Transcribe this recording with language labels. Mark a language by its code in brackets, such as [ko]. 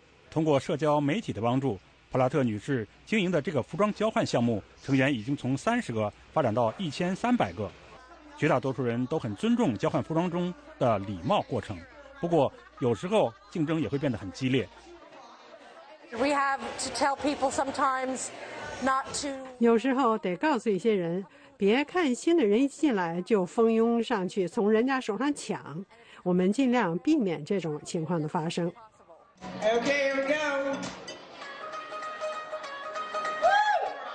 [zh] 通过社交媒体的帮助，普拉特女士经营的这个服装交换项目成员已经从30个发展到1300个。绝大多数人都很尊重交换服装中的礼貌过程，不过有时候竞争也会变得很激烈。 [en] We have to tell people sometimes not to. [zh] 有时候得告诉一些人，别看新的人一进来就蜂拥上去从人家手上抢，我们尽量避免这种情况的发生。 [en] Okay, here we go. Woo!